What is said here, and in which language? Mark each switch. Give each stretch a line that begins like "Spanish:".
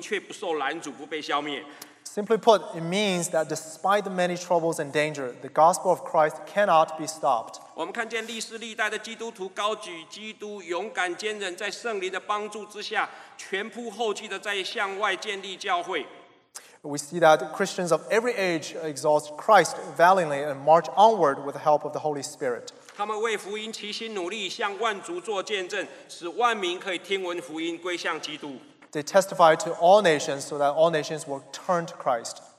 Chinese: 那简单的话来说，即使教会面对许多艰难险阻，遇到很多的威胁攻击，但基督的福音却不受拦阻，不被消灭。
English: Simply put, it means that despite the many troubles and danger, the gospel of Christ cannot be stopped.
Chinese: 我们看见历史历代的基督徒高举基督，勇敢坚忍，在圣灵的帮助之下，全副后继的在向外建立教会。
English: We see that Christians of every age exalt Christ valiantly and march onward with the help of the Holy Spirit.
Chinese: 他们为福音齐心努力，向万族作见证，使万民可以听闻福音归向基督。
English: They testify to all nations so that all nations will turn to Christ.